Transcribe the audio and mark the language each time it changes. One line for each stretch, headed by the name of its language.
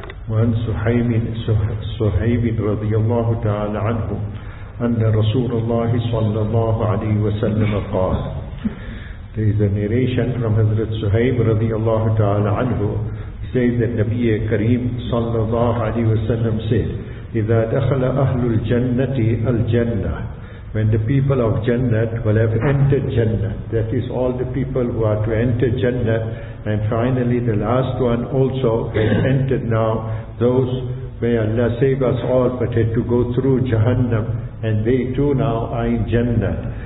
Arabic: وعن صهيب رضي الله تعالى عنه أن رسول الله صلى الله عليه وسلم قال.
English: There is a narration from Hazrat Suhaib رضي الله تعالى عنه. He says that Nabi Kareem صلى الله عليه وسلم said,
Arabic: إذا دخل أهل الجنة الجنة.
English: When the people of Jannah will have entered Jannah, that is all the people who are to enter Jannah, and finally the last one also has entered now, those, may Allah save us all, but had to go through Jahannam, and they too now are in Jannah.